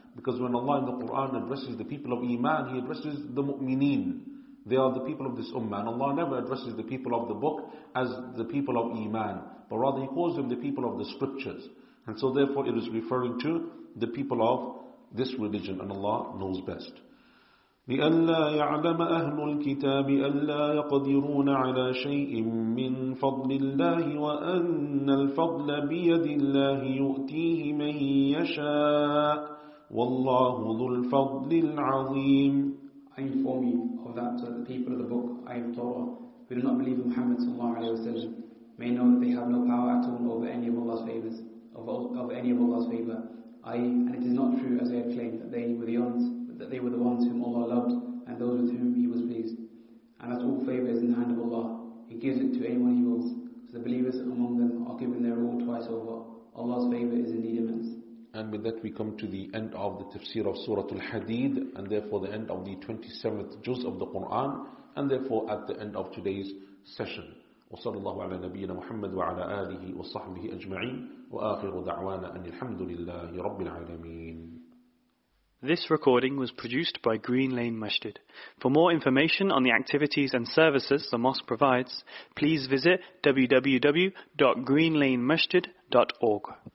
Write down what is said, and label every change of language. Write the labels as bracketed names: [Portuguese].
[English] Because when Allah in the Quran addresses the people of Iman, He addresses the mu'mineen. They are the people of this ummah. And Allah never addresses the people of the book as the people of Iman. But rather He calls them the people of the scriptures. And so therefore it is referring to the people of this religion. And Allah knows best. [Arabic] لئلا يعلم أهل الكتاب ألا يقدرون على شيء من فضل الله وأن الفضل بيد الله يؤتيه من يشاء والله ذو الفضل العظيم. [English] I inform you of that so the people of the book, Ayat Torah, who do not believe in Muhammad sallallahu alayhi wa sallam, may know that they have no power at all over any of Allah's favors, over any of Allah's favor. And it is not true as they have claimed that they were the ones, that they were the ones whom Allah loved and those with whom He was pleased. And that all favor is in the hand of Allah. He gives it to anyone He wills. So the believers among them are given their all twice over. Allah's favor is indeed immense. And with that we come to the end of the tafsir of Surah Al-Hadid, and therefore the end of the 27th juz of the Quran, and therefore at the end of today's session. [Arabic] وصلى الله على نبينا محمد وعلى آله وصحبه أجمعين وآخر دعوانا أن الحمد لله رب العالمين. [English] This recording was produced by Green Lane Masjid. For more information on the activities and services the mosque provides, please visit www.greenlanemasjid.org.